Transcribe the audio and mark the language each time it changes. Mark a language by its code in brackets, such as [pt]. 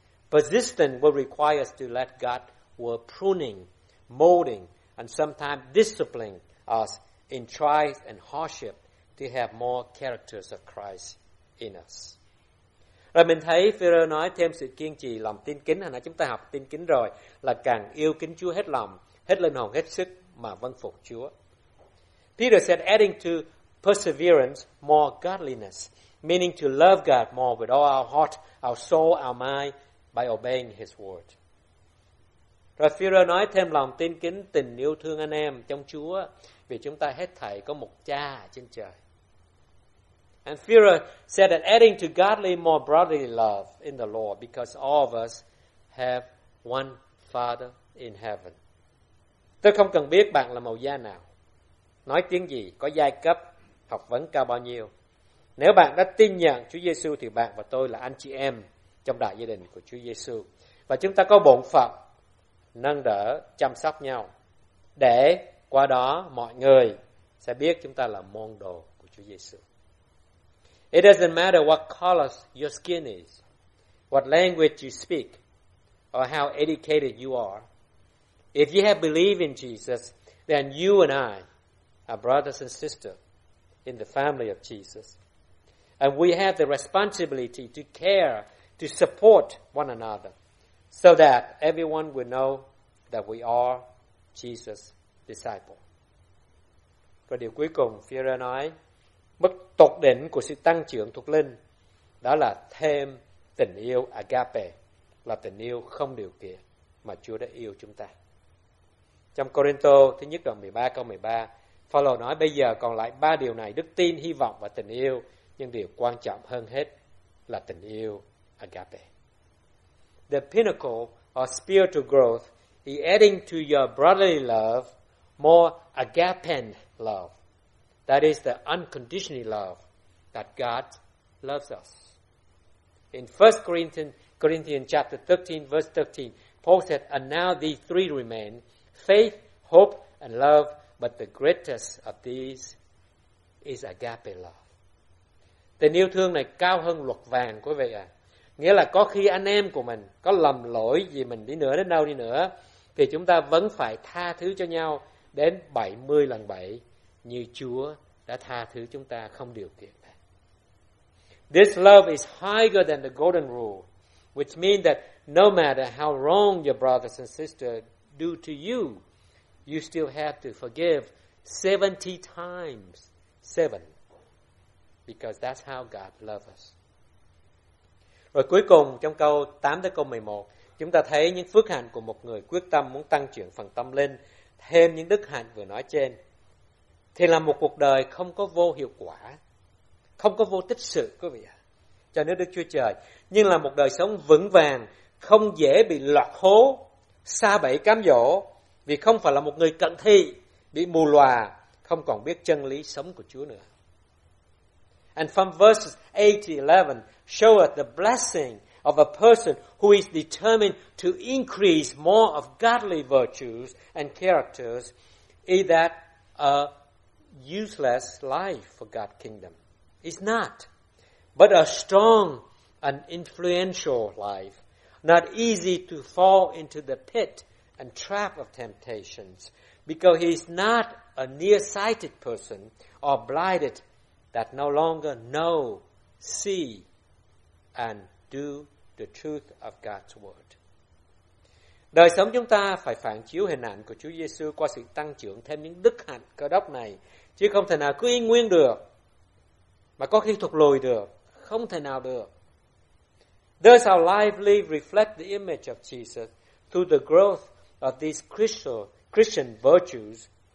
[en] Persistence will require us to let God work pruning, molding, and sometimes discipline us in trials and hardship to have more characters of Christ in us. [vi] Rồi mình thấy Phêrô nói thêm sự kiên trì lòng tin kính. Hồi nãy chúng ta học tin kính rồi là càng yêu kính Chúa hết lòng, hết linh hồn, hết sức mà vâng phục Chúa. [en] Peter said, adding to perseverance, more godliness, meaning to love God more with all our heart, our soul, our mind, by obeying His word. [vi] Rồi Phêrô nói thêm lòng tin kính, tình yêu thương anh em trong Chúa, vì chúng ta hết thảy có một Cha trên trời. [en] And Führer said that adding to godly more brotherly love in the Lord, because all of us have one Father in heaven. [vi] Tôi không cần biết bạn là màu da nào, nói tiếng gì, có giai cấp, học vấn cao bao nhiêu. Nếu bạn đã tin nhận Chúa Giê-xu thì bạn và tôi là anh chị em trong đại gia đình của Chúa Giê-xu. Và chúng ta có bổn phận nâng đỡ, chăm sóc nhau, để qua đó mọi người sẽ biết chúng ta là môn đồ của Chúa Giê-xu. [en] It doesn't matter what color your skin is, what language you speak, or how educated you are. If you have believed in Jesus, then you and I are brothers and sisters in the family of Jesus. And we have the responsibility to care, to support one another, so that everyone will know that we are Jesus' disciples. [vi] Và điều cuối cùng, Phêrô nói, mức tột đỉnh của sự tăng trưởng thuộc linh đó là thêm tình yêu agape, là tình yêu không điều kiện mà Chúa đã yêu chúng ta. Trong Corinto thứ nhất đoạn 13 câu 13, Phaolô nói bây giờ còn lại ba điều này: đức tin, hy vọng và tình yêu, nhưng điều quan trọng hơn hết là tình yêu agape. [en] The pinnacle of spiritual growth is adding to your brotherly love more agape love. That is the unconditional love that God loves us. In 1 Corinthians chapter 13, verse 13, Paul said, "And now these three remain: faith, hope, and love. But the greatest of these is agape love." [vi] Tình yêu thương này cao hơn luật vàng, quý vị ạ. Nghĩa là có khi anh em của mình có lầm lỗi gì mình đi nữa, đến đâu đi nữa, thì chúng ta vẫn phải tha thứ cho nhau đến 70 lần 7. Như Chúa đã tha thứ chúng ta không điều kiện. [en] This love is higher than the golden rule, which means that no matter how wrong your brothers and sisters do to you, you still have to forgive 70 times 7, because that's how God loves us. [vi] Rồi cuối cùng trong câu 8 tới câu 11, chúng ta thấy những phước hạnh của một người quyết tâm muốn tăng trưởng phần tâm linh thêm những đức hạnh vừa nói trên, thì là một cuộc đời không có vô hiệu quả, không có vô tích sự, quý vị ạ, cho nước Đức Chúa Trời, nhưng là một đời sống vững vàng, không dễ bị lạc hố, xa bẫy cám dỗ, vì không phải là một người cận thị, bị mù lòa, không còn biết chân lý sống của Chúa nữa. [en] And from verses 8 to 11, show us the blessing of a person who is determined to increase more of godly virtues and characters, is that a useless life for God's kingdom. It's not, but a strong and influential life, not easy to fall into the pit and trap of temptations, because he is not a nearsighted person or blinded that no longer know, see, and do the truth of God's word. [vi] Đời sống chúng ta phải phản chiếu hình ảnh của Chúa Giê-xu qua sự tăng trưởng thêm những đức hạnh cơ đốc này, chứ không thể nào cứ y nguyên được, mà có khi thụt lùi được, không thể nào được. [en] Does our life live reflect the image of Jesus through the growth of these Christian virtues?